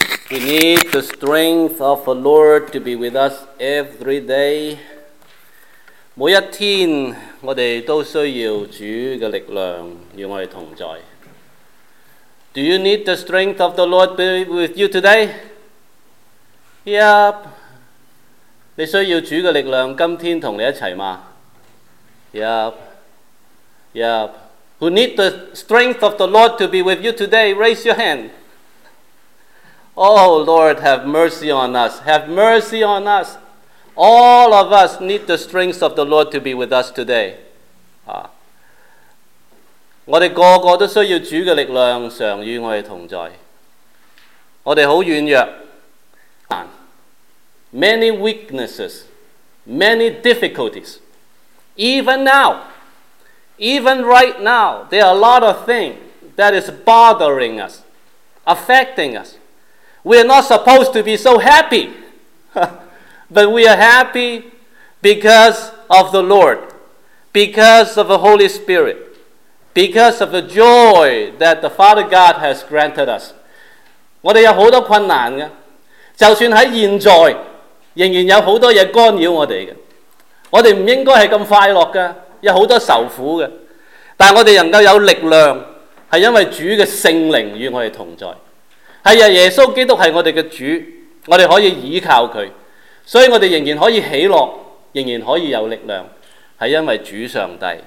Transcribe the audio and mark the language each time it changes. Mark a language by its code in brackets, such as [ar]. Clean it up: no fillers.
[en] We need the strength of the Lord to be with us every day. [zh] 每一天我们都需要主的力量与我们同在。 [en] Do you need the strength of the Lord be with you today? Yep. [zh] 你需要主的力量今天同你一起吗? [en] Yep. Yep. Who need the strength of the Lord to be with you today? Raise your hand. Oh, Lord, have mercy on us. Have mercy on us. All of us need the strength of the Lord to be with us today. [zh] 我们个个都需要主的力量常与我们同在。我们很软弱。 [en] Many weaknesses, many difficulties. Even right now, there are a lot of things that is bothering us, affecting us. We are not supposed to be so happy, but we are happy because of the Lord, because of the Holy Spirit, because of the joy that the Father God has granted us. [zh] 我们有很多困难的，就算在现在，仍然有很多事干扰我们的。我们不应该是那么快乐的，有很多受苦的，但我们能够有力量，是因为主的圣灵与我们同在。是啊，耶稣基督是我们的主，我们可以倚靠祂，所以我们仍然可以喜乐，仍然可以有力量，是因为主上帝。